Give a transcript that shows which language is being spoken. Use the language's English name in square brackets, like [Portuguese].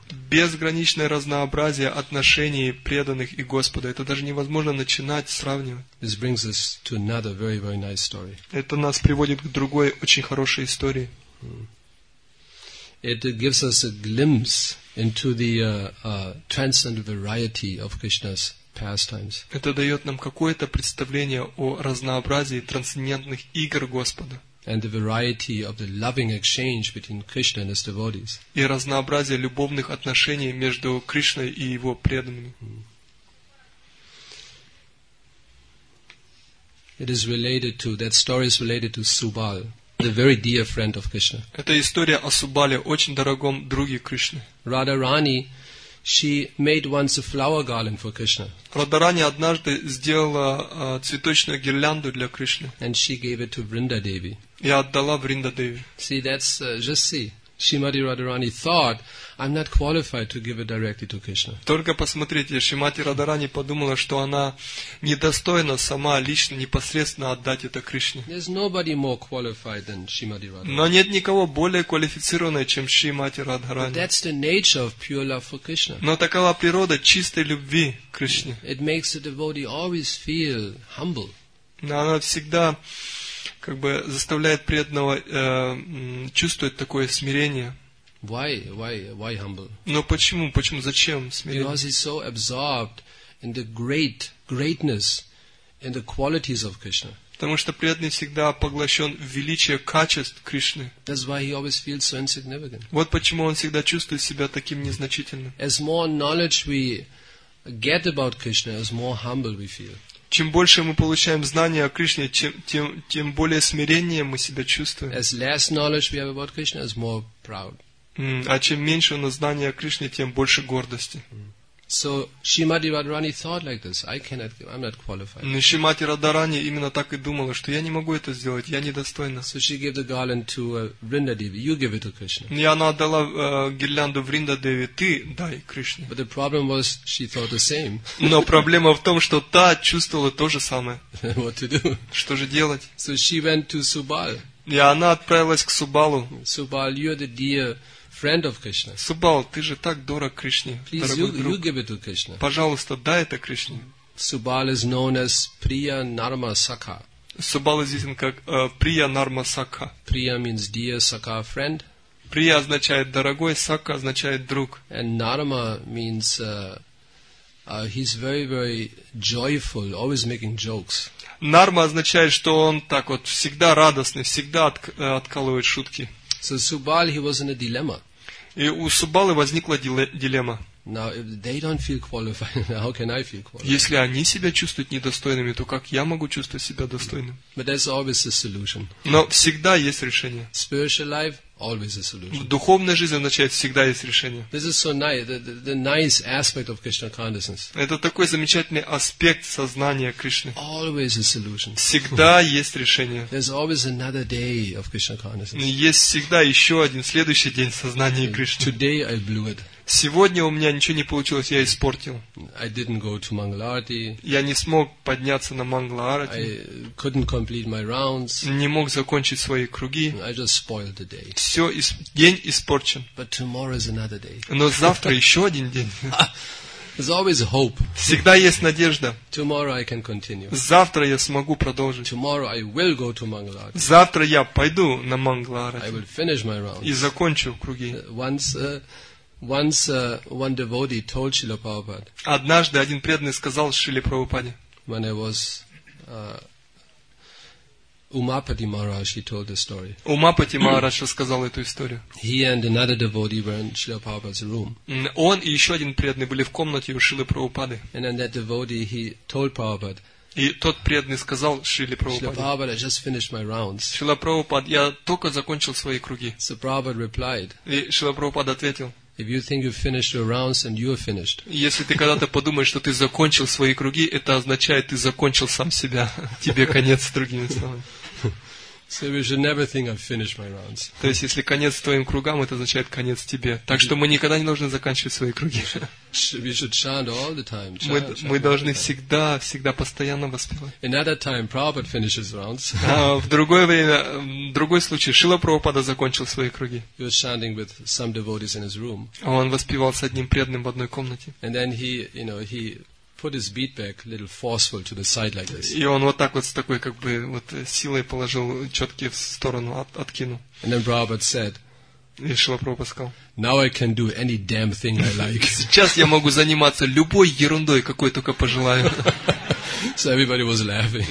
[Russian] Безграничное разнообразие отношений преданных и Господа. Это даже невозможно начинать сравнивать. [English] This brings us to another very, very nice story. [Russian] Это нас приводит к другой очень хорошей истории. [English] It gives us a glimpse into the transcendental variety of Krishna's pastimes. [Russian] Это дает нам какое-то представление о разнообразии трансцендентных игр Господа. [English] And the variety of the loving exchange between Krishna and his devotees. [Russian] И разнообразие любовных отношений между Кришной и его преданными. [English] It is related to that story is related to Subal, the very dear friend of Krishna. [Russian] Это история о Субале, очень дорогом друге Кришны. [English] Radharani, she made once a flower garland for Krishna. [Russian] Радхарани однажды сделала цветочную гирлянду для Кришны. [English] And she gave it to Вриндадеви. [Russian] Я отдала Вриндадеви. [English] See, that's just see. Shrimati Radharani thought, I'm not qualified to give it directly to Krishna. [Russian] Только посмотрите, Шримати Радарани подумала, что она недостойна сама лично непосредственно отдать это Кришне. [English] There's nobody more qualified than Shrimati Radharani. [Russian] Но нет никого более квалифицированного, чем Шримати Радарани. [English] That's the nature of pure love for Krishna. [Russian] Но такова природа чистой любви к Кришне. [English] It makes the devotee always feel humble. [Russian] Но она всегда как бы заставляет преданного чувствовать такое смирение. [English] Why humble? [Russian] Но почему? Почему? Зачем смирение? [English] Because he's so absorbed in the greatness and the qualities of Krishna. [Russian] Потому что преданный всегда поглощен в величие качеств Кришны. [English] That's why he always feels so insignificant. [Russian] Вот почему он всегда чувствует себя таким незначительным. [English] As more knowledge we get about Krishna, as more humble we feel. [Russian] Чем больше мы получаем знания о Кришне, тем более смиреннее мы себя чувствуем. [English] As less knowledge we have about Krishna, as more proud. [Russian] А чем меньше у нас знания о Кришне, тем больше гордости. [English] So Shrimati Radharani thought like this: I cannot, I'm not qualified. [Russian] Но Шримати Радарани именно так и думала, что я не могу это сделать, я недостойна. [English] So she gave the garland to Vrindadevi. You give it to Krishna. [Russian] И она отдала гирлянду Вриндадеви, ты дай Кришне. [English] But the problem was she thought the same. [Russian] Но проблема в том, что та чувствовала то же самое. [English] What to do? [Russian] Что же делать? [English] So she went to Subal. [Russian] И она отправилась к Субалу. [English] Subal, you're the dear friend of Krishna. [Russian] Subal, ты же так дорог Кришне. [English] Please, you give it to Krishna. [Russian] Пожалуйста, дай это Кришне. [English] Subal is known as Priya Narma Sakha. [Russian] Subal известен как Priya Narma Sakha. [English] Priya means dear, Sakha friend. [Russian] Priya означает дорогой, Sakha означает друг. [English] And Narma means he's very, very joyful, always making jokes. [Russian] Narma означает, что он так вот всегда радостный, всегда откалывает шутки. [English] So Subal, he was in a dilemma. [Russian] И у Субалы возникла дилемма. [English] Now, if they don't feel qualified, how can I feel qualified? [Russian] Если они себя чувствуют недостойными, то как я могу чувствовать себя достойным? [English] But there's always a solution. [Russian] Но всегда есть решение. [English] Spiritual life, always a solution. [Russian] В духовной жизни, означает, всегда есть решение. [English] This is so nice, the nice aspect of Krishna consciousness. [Russian] Это такой замечательный аспект сознания Кришны. [English] Always a solution. [Russian] Всегда есть решение. [English] There's always another day of Krishna consciousness. [Russian] Есть всегда еще один следующий день сознания Кришны. [English] Today I blew it. [Russian] Сегодня у меня ничего не получилось, я испортил. [English] I didn't go to Mangalarati. [Russian] Я не смог подняться на Mangalarati. [English] I couldn't complete my rounds. [Russian] Не мог закончить свои круги. [English] I just spoiled the day. [Russian] Все, день испорчен. [English] But tomorrow is another day. [Russian] Но завтра еще один день. [English] There's always hope. [Russian] Всегда есть надежда. [English] Tomorrow I can continue. [Russian] Завтра я смогу продолжить. [English] Tomorrow I will go to Mangalarati. [Russian] Завтра я пойду на Mangalarati. [English] I will finish my rounds. [Russian] И закончу круги. [English] Once one devotee told Srila Prabhupada. [Russian] Однажды один преданный сказал Шриле Прабхупаде. [English] When I was Umapati Maharaj, he told the story. [Russian] Умапати Махарадж рассказал эту историю. [English] He and another devotee were in Srila Prabhupada's room. [Russian] Он и еще один преданный были в комнате у Шрилы Прабхупады. [English] And then that devotee he told Prabhupada. [Russian] И тот преданный сказал Шриле Прабхупаде. [English] Srila Prabhupada, I just finished my rounds. [Russian] Шрила Прабхупада, я только закончил свои круги. [English] So Prabhupada replied. [Russian] И Шрила Прабхупада ответил. [English] If you think you've finished your rounds, then you are finished. [Russian] Если ты когда-то подумаешь, что ты закончил свои круги, это означает, ты закончил сам себя. Тебе конец, другими словами. [English] So we should never think I've finished my rounds. [Russian] То есть, если конец твоим кругам, это означает конец тебе. Так что мы никогда не должны заканчивать свои круги. [English] We should chant all the time. [Russian] Мы должны всегда, всегда постоянно воспевать. [English] Another time, Prabhupada finishes rounds. [Russian] В другое время, в другой случай, Шрила Прабхупада закончил свои круги. [English] He was chanting with some devotees in his room. [Russian] Он воспевал с одним преданным в одной комнате. [English] And then he, you know, he put his beat back a little forceful to the side like this. [Russian] И он вот так вот с такой как бы вот силой положил четки в сторону откинул. [English] And then Prabhupada said. [Russian] И Шрила Прабхупада сказал. [English] Now I can do any damn thing I like. [Russian] Сейчас я могу заниматься любой ерундой, какой только пожелаю. [English] So everybody was laughing.